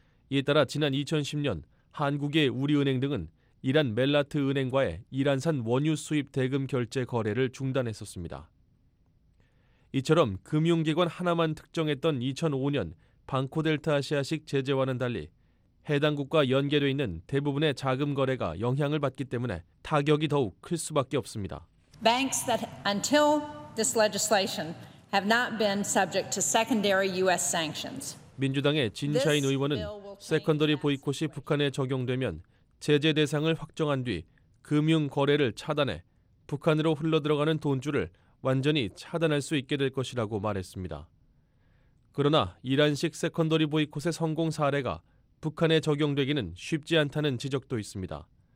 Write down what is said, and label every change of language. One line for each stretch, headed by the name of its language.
Korean: 이에 따라 지난 2010년 한국의 우리은행 등은 이란 멜라트 은행과의 이란산 원유 수입 대금 결제 거래를 중단했었습니다. 이처럼 금융기관 하나만 특정했던 2005년 방코델타아시아식 제재와는 달리 해당 국가 연계돼 있는 대부분의 자금 거래가 영향을 받기 때문에 타격이 더욱 클 수밖에 없습니다.
English: Banks that until this legislation have not been subject to secondary U.S. sanctions.
Korean: 민주당의 진샤인 의원은 세컨더리 보이콧이 북한에 적용되면 제재 대상을 확정한 뒤 금융 거래를 차단해 북한으로 흘러들어가는 돈줄을 완전히 차단할 수 있게 될 것이라고 말했습니다. 그러나 이란식 세컨더리 보이콧의 성공 사례가 북한에 적용되기는 쉽지 않다는 지적도 있습니다.